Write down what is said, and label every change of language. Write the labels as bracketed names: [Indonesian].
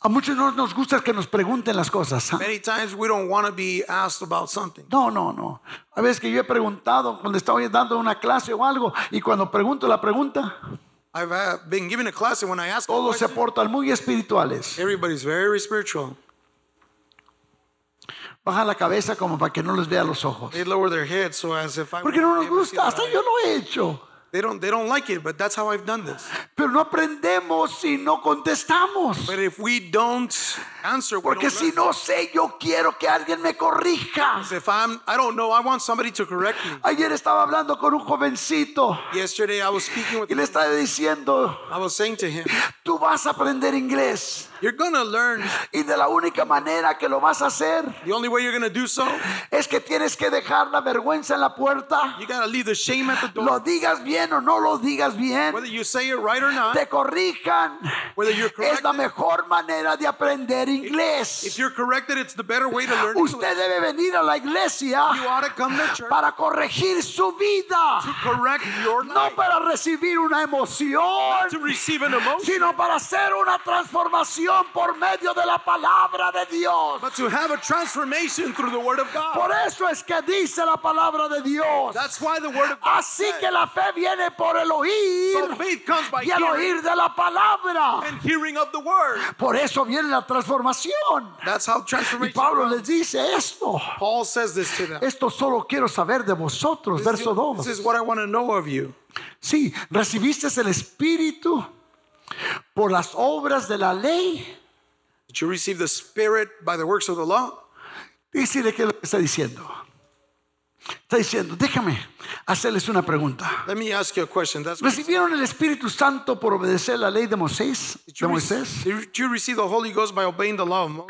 [Spanish] A muchos no nos gusta que nos pregunten las cosas. ¿Eh? [English] Many times we don't want to be asked about something. [Spanish] No. A veces que yo he preguntado cuando estaba dando una clase o algo y cuando pregunto la pregunta. [English] I've been given a class and when I ask. [Spanish] Todos se portan muy espirituales. [English] Everybody's very spiritual. [Spanish] Baja la cabeza como para que no les vea los ojos. [English] They lower their heads so as if I. [Spanish] Porque no nos gusta. Hasta yo lo he hecho. [English] They don't like it, but that's how I've done this. [Spanish] Pero no aprendemos si no contestamos. [English] But if we don't answer, [Spanish] porque [English] we don't [Spanish] si no sé, yo quiero que alguien me corrija. [English] If I don't know, I want somebody to correct me. [Spanish] Ayer estaba hablando con un jovencito. [English] Yesterday I was speaking with. [Spanish] Y le estaba diciendo. [English] I was saying to him. [Spanish] Tú vas a aprender inglés. [English] You're gonna learn. [Spanish] Y de la única manera que lo vas a hacer. [English] The only way you're gonna do so. [Spanish] Es que tienes que dejar la vergüenza en la puerta. [English] You gotta leave the shame at the door. [Spanish] Lo digas bien o no lo digas bien. [English] Whether you say it right or not. [Spanish] Te corrijan. [English] Whether you're corrected. [Spanish] Es la mejor manera de aprender inglés. [English] If you're corrected, it's the better way to learn. [Spanish] Usted debe venir a la iglesia. [English] You ought to come to church. [Spanish] Para corregir su vida. [English] To correct your life. [Spanish] No para recibir una emoción. [English] Not to receive an emotion. [Spanish] Sino para hacer una transformación. Por medio de la palabra de Dios. [English] But to have a transformation through the word of God. [Spanish] Por eso es que dice la palabra de Dios. [English] That's why the word of God. [Spanish] Así que la fe viene por el oír. [English] So faith comes by [Spanish] y el oír de la palabra. [English] And hearing of the word. [Spanish] Por eso viene la transformación. [English] That's how transformation. [Spanish] Y Pablo les dice esto. [English] Paul says this to them. [Spanish] Esto solo quiero saber de vosotros. Verso 2. [English] This is what I want to know of you. [Spanish] Sí, recibiste el Espíritu. Por las obras de la ley. [English] Did you receive the Spirit by the works of the law? [Spanish] Dice de qué lo está diciendo. Está diciendo, déjame hacerles una pregunta. [English] Let me ask you a question. That's [Spanish] ¿Recibieron el Espíritu Santo por obedecer la ley de Moisés? [English] Did you receive the Holy Ghost by obeying the law of Moses?